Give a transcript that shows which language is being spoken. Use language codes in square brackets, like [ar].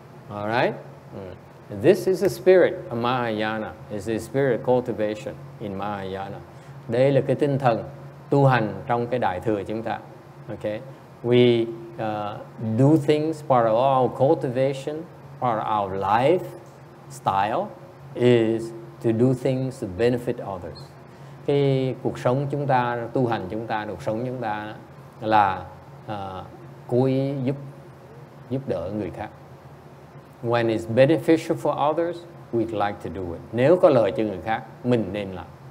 [en] All right? This is the spirit of Mahayana. It's the spirit of cultivation in Mahayana. [vi] Đây là cái tinh thần tu hành trong cái đại thừa chúng ta. [en] Okay? We do things part of our cultivation, part of our life style is to do things to benefit others. [vi] Cái cuộc sống chúng ta, tu hành chúng ta, cuộc sống chúng ta là cố ý giúp đỡ người khác. [en] When it's beneficial for others, we'd like to do it. [vi] Nếu có lợi cho người khác, mình nên làm.